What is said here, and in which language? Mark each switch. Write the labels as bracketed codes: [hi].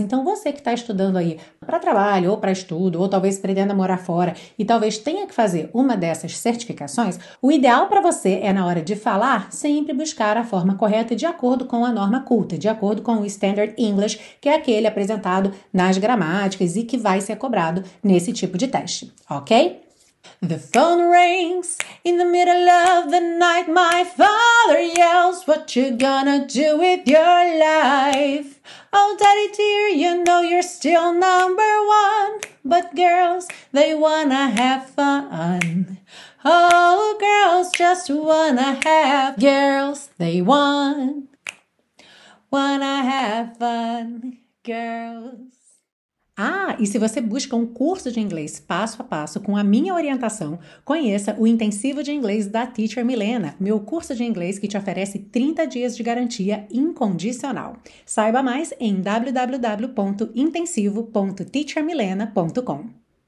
[pt] Então, você que está estudando aí para trabalho ou para estudo, ou talvez pretenda morar fora e talvez tenha que fazer uma dessas certificações, o ideal para você é, na hora de falar, sempre buscar a forma correta de acordo com a norma culta, de acordo com o Standard English, que é aquele apresentado nas gramáticas e que vai ser cobrado nesse tipo de teste, ok? [en] The phone rings in the middle of the night. My father yells, what you gonna do with your life? Oh, daddy dear, you know you're still number one. But girls, they wanna have fun. Oh, girls just wanna have. Girls, they wanna have fun. Girls. [pt] Ah, e se você busca um curso de inglês passo a passo com a minha orientação, conheça o Intensivo de Inglês da Teacher Milena, meu curso de inglês que te oferece 30 dias de garantia incondicional. Saiba mais em www.intensivo.teachermilena.com.